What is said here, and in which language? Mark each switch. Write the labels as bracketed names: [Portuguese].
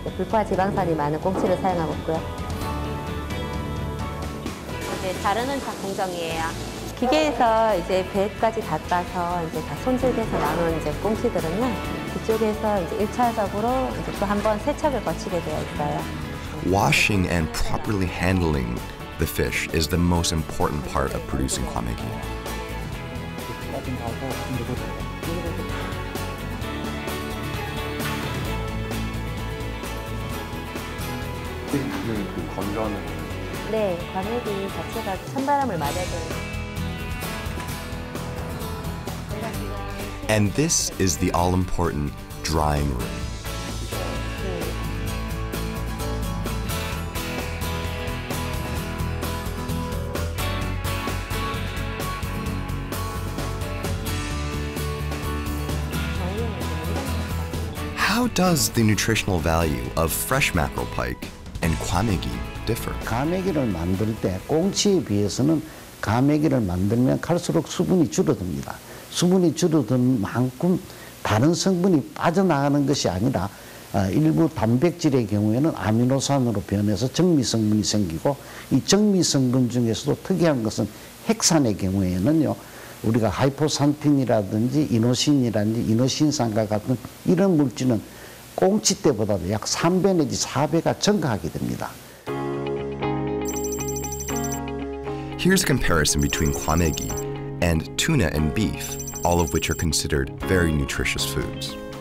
[Korean] 불포화 지방산이 많은 꽁치를 사용하고 있고요. 이제 자르는 자 공정이에요. 기계에서 이제 배까지 다 따서 이제 다 손질돼서 나온 이제 꽁치들은요. 이쪽에서 이제 1차적으로 이제 또 한번 세척을 거치게 되어 있어요. [English] Washing and properly handling the fish is the most important part of producing kwamegi. [Korean] 네, 과메기 자체가 찬바람을 맞아요. [English] And this is the all-important drying room. [Korean] 그럼 [English] does the nutritional value of fresh mackerel pike and kwamegi differ? [Korean] 과메기를 만들 때 꽁치에 비해서는 과메기를 만들면 갈수록 수분이 줄어듭니다. 수분이 줄어든 만큼 다른 성분이 빠져나가는 것이 아니라 일부 단백질의 경우에는 아미노산으로 변해서 정미 성분이 생기고, 이 정미 성분 중에서도 특이한 것은 핵산의 경우에는요. 우리가 하이포산틴이라든지 이노신이라든지 이노신산과 같은 이런 물질은 꽁치 때보다도 약 3배 내지 4배가 증가하게 됩니다. [English] Here's a comparison between kwamegi and tuna and beef, all of which are considered very nutritious foods.